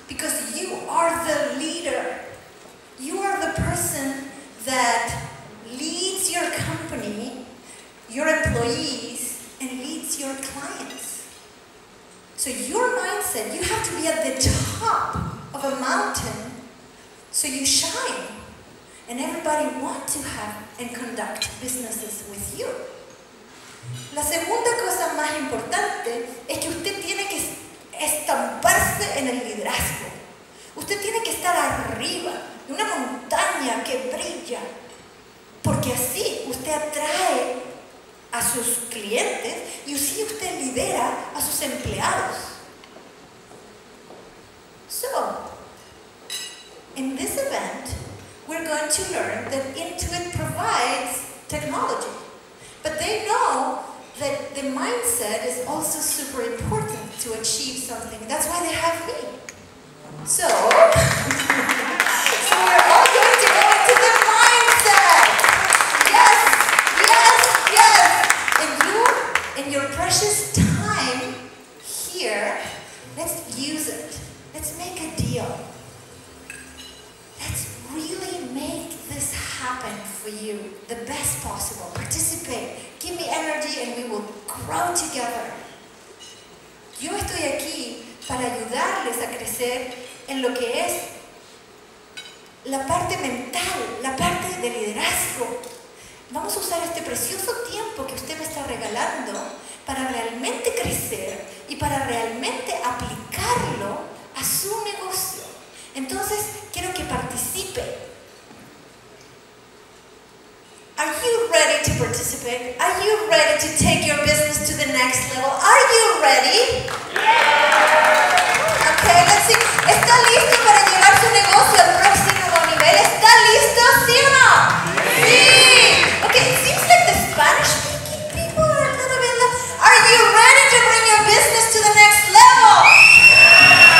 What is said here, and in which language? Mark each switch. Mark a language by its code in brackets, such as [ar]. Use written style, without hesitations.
[en] Because you are the leader. You are the person that leads your company, your employees, and leads your clients. So your mindset, you have to be at the top of a mountain so you shine. And everybody wants to have and conduct businesses with you. [es] La segunda cosa más importante es que usted tiene que estamparse en el liderazgo. Usted tiene que estar arriba de una montaña que brilla. Porque así usted atrae a sus clientes y así usted lidera a sus empleados. [en] So, in this event, we're going to learn that Intuit provides technology. But they know that the mindset is also super important to achieve something. That's why they have me. So we're all going to go into the mindset. Yes, yes, yes. And you, in your precious time here, let's use it. Let's make a deal. Let's really make this happen for you the best possible. Participate. Give me energy and we will grow together. [es] Yo estoy aquí para ayudarles a crecer en lo que es la parte mental, la parte de liderazgo. Vamos a usar este precioso tiempo que usted me está regalando para realmente crecer y para realmente aplicarlo a su negocio. Entonces, quiero que participe. [en] Are you ready to participate? Are you ready to take your business to the next level? Are you ready? Yeah. Okay, let's see. [es] ¿Está listo para llevar su negocio al próximo nivel? ¿Está listo? ¿Sí o no? Sí. [en] Okay, it seems like the Spanish speaking people are a little bit less. Are you ready to bring your business to the next level?